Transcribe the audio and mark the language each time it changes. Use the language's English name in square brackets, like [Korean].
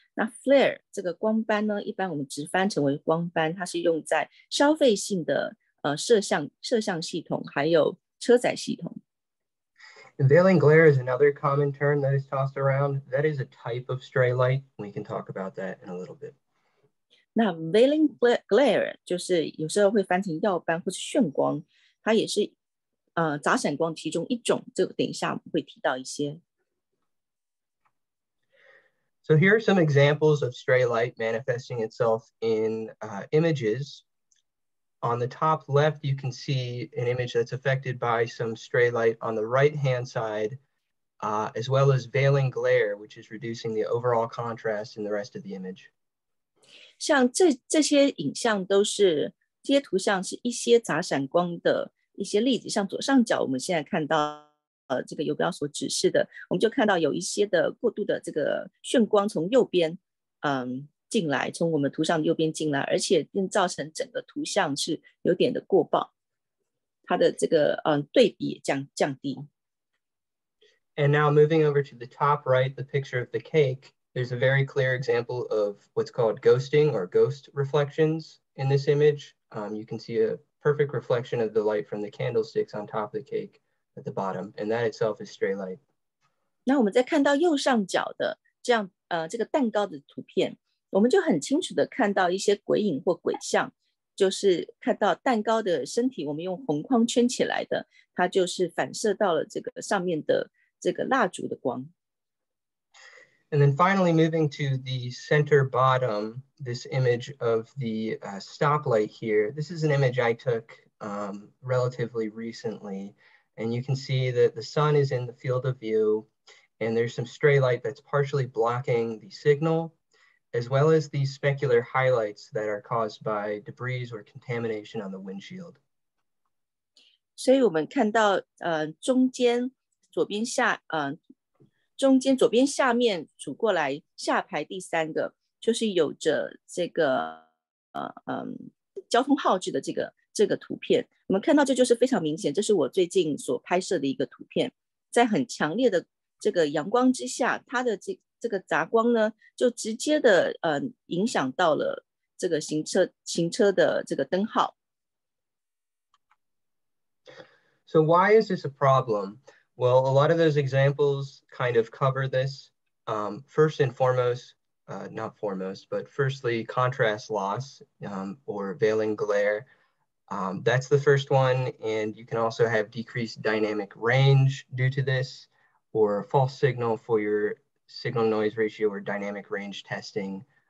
[Chinese] 那 flare 这个光斑呢，一般我们直翻成为光斑，它是用在消费性的摄像系统还有车载系统。 [English] Veiling glare is another common term that is tossed around. That is a type of stray light. We can talk about that in a little bit. [Chinese] 那 veiling glare 就是有时候会翻成耀斑或是眩光，它也是杂闪光其中一种，这个等一下会提到一些。 [English] So here are some examples of stray light manifesting itself in images. On the top left, you can see an image that's affected by some stray light on the right-hand side, as well as veiling glare, which is reducing the overall contrast in the rest of the image. [Chinese] 像这些影像都是，这些图像是一些杂闪光的一些例子，像左上角我们现在看到这个游标所指示的，我们就看到有一些的过度的这个眩光从右边进来，从我们图像右边进来，而且并造成整个图像是有点的过曝，它的这个对比降低。 [English] And now moving over to the top right, the picture of the cake, there's a very clear example of what's called ghosting or ghost reflections in this image. You can see a perfect reflection of the light from the candlesticks on top of the cake at the bottom, and that itself is stray light. [Chinese] 那我们再看到右上角的这样这个蛋糕的图片，我们就很清楚的看到一些鬼影或鬼像，就是看到蛋糕的身体我们用红框圈起来的，它就是反射到了这个上面的这个蜡烛的光。 [English] And then finally, moving to the center bottom, this image of the stoplight here. This is an image I took relatively recently. And you can see that the sun is in the field of view, and there's some stray light that's partially blocking the signal, as well as these specular highlights that are caused by debris or contamination on the windshield. [Chinese] 所以我们看到中间左边下中间左边下面数过来下排第三个就是有着这个交通号志的这个图片，我们看到这就是非常明显，这是我最近所拍摄的一个图片，在很强烈的这个阳光之下，它的这个杂光呢就直接的影响到了这个行车的这个灯号。 [English] So why is this a problem? Well, a lot of those examples kind of cover this. Firstly, contrast loss or veiling glare. That's the first one. And you can also have decreased dynamic range due to this or a false signal for your signal noise ratio or dynamic range testing.